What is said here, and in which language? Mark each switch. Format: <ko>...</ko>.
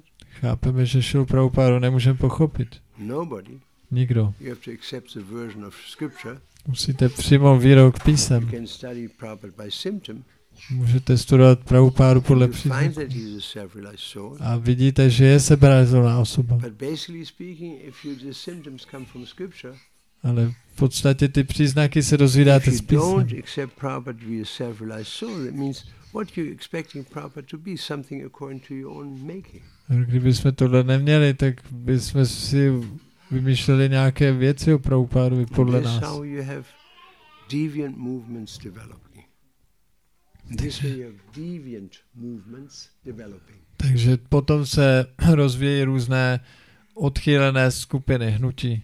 <cs>Chápeme, že Šrilu Prabhupádu nemůžeme pochopit.</cs> <en>Nobody.</en> <cs>Nikdo.</cs> <en>You have to accept the version of scripture.</en> <cs>Musíte přijmout výrok písem.</cs> <en>You can study Prabhupada by symptom.</en> <cs>Můžete studovat Prabhupádu podle příznaků. A vidíte, že je seberealizovaná osoba.</cs> <en>But basically speaking, if you, the symptoms come from scripture.</en> <cs>Ale v podstatě ty příznaky se dozvídáte z písma.</cs> <en>If you don't accept Prabhupada to be a self-realized soul, that means what you're expecting Prabhupada to be, something according to your own making.</en> <cs>Kdybychom tohle neměli, tak bychom si vymýšleli nějaké věci o Prabhupádovi podle nás.</cs> <en>How you have deviant movements developing. This way of deviant movements developing.</en> <cs>Takže potom se rozvíjí různé odchýlené skupiny hnutí,</cs>